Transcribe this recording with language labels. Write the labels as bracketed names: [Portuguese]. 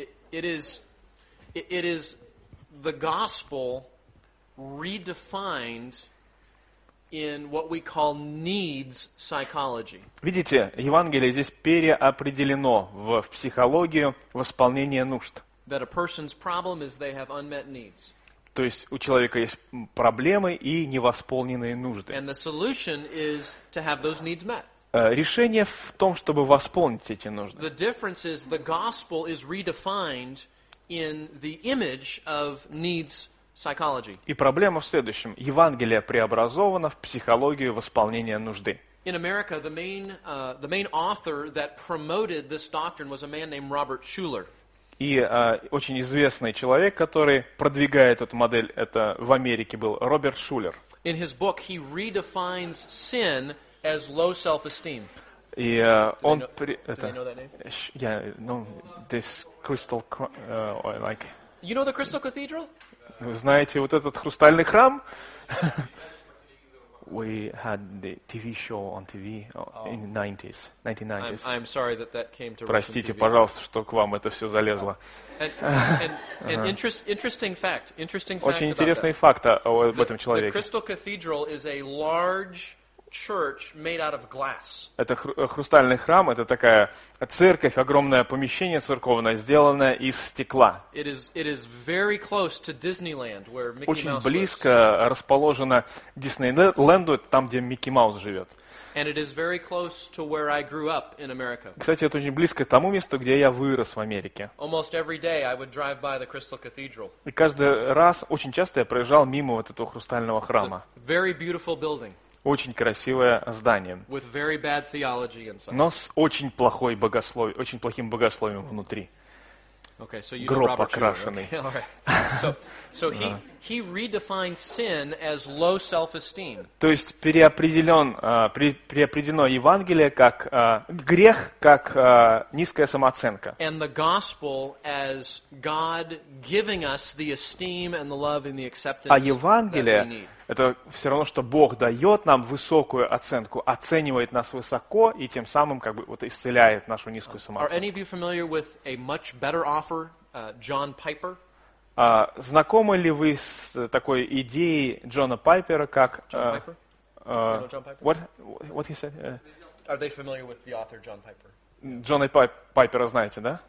[English] It is the gospel redefined in what we call needs psychology. [Russian] Видите, Евангелие здесь переопределено в психологию восполнения нужд. [English] That a person's problem is they have unmet needs. [Russian] То есть у человека есть проблемы и невосполненные нужды. [English] And the solution is to have those needs met. [Russian] Решение в том, чтобы восполнить эти нужды. [English] The difference is the gospel is redefined in the image of needs psychology. [Russian] И проблема в следующем. Евангелие преобразовано в психологию восполнения нужды. [English] In America, the main author that promoted this doctrine was a man named Robert Schuller. [Russian] И очень известный человек, который продвигает эту модель, это в Америке был Роберт Шулер. [English] In his book, he redefines sin as low self-esteem. [Russian] И он Crystal, like. [English] You know the Crystal Cathedral? [Russian] Вы знаете вот этот хрустальный храм? [English] We had the TV show on TV in the 90s. I'm sorry that that came to. [Russian] Простите, пожалуйста, что к вам это все залезло. [English] Interesting fact. [Russian] Очень интересный факт об этом человеке. [English] The Crystal Cathedral is a large church made out of glass. [Russian] Это хрустальный храм, это такая церковь, огромное помещение церковное, сделанное из стекла. [English] It is very close to Disneyland, where Mickey Mouse lives. [Russian] Очень близко расположено Диснейленду, там, где Микки Маус живет. [English] And it is very close to where I grew up in America. [Russian] Кстати, это очень близко к тому месту, где я вырос в Америке. [English] Almost every day I would drive by the Crystal Cathedral. [Russian] И каждый раз, очень часто я проезжал мимо вот этого хрустального храма. [English] It's a very beautiful building. [Russian] Очень красивое здание, но с очень плохой богословием, очень плохим богословием внутри. [English] Okay, so you know [Russian] гроб окрашенный. [English] Okay, all right. So he redefined sin as low self-esteem. [Russian] То есть переопределено Евангелие как грех, как низкая самооценка. [English] And the gospel as God giving us the esteem and the love and the acceptance. [Russian] А Евангелие это все равно, что Бог дает нам высокую оценку, оценивает нас высоко и тем самым как бы вот исцеляет нашу низкую самооценку. [English] Are any of you familiar with a much better offer, John Piper? [Russian] Знакомы ли вы с такой идеей Джона Пайпера, как... [English] John Piper? What he said? Are they familiar with the author John Piper? [Russian] Джона Пайпера знаете, да?